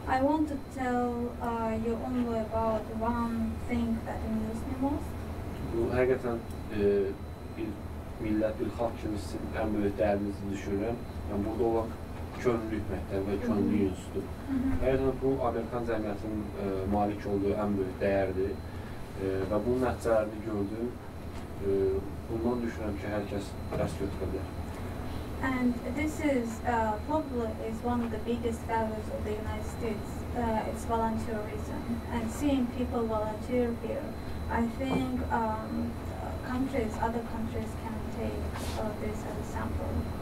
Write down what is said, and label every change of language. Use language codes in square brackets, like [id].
[en] I want to tell you only about one thing that amused me most. [az] Bu həqiqətən bir millət, bir xalq kimi sizin ən böyük dəyərinizi düşünürəm. Yəni burada olan könüllü hükmətdir və könüllü yüzdür. Həqiqətən bu Amerikan cəmiyyətinin malik olduğu ən böyük dəyərdir. Və bunun nəticələrini gördüm. Bundan düşünürəm ki, hər kəs dərs götürə bilər. [en] And this is probably is one of the biggest values of the United States. It's volunteerism. And seeing people volunteer here, I think countries, other countries can take this as a sample.